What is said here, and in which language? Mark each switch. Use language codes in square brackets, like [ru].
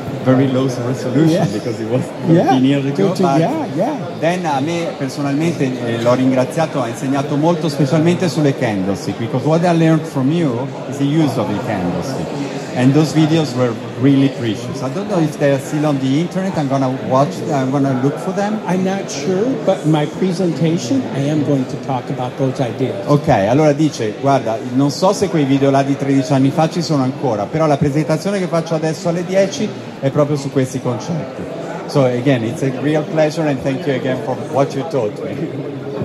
[en] Very low resolution, yeah. Because it was 13 years ago. Then [it] a me personalmente l'ho ringraziato, ha insegnato molto, specialmente sulle candlestick. [en] Because what I learned from you is the use of the candlestick. And those videos were really precious. I don't know if they're still on the internet. I'm going to watch them. I'm going to look for them. I'm not sure, but my presentation, I am going to talk about those ideas. [it] Okay, allora dice, guarda, non so se quei video là di 13 anni fa ci sono ancora, però la presentazione che faccio adesso alle 10 è proprio su questi concetti. [en] So again, it's a real pleasure and thank you again for what you taught me.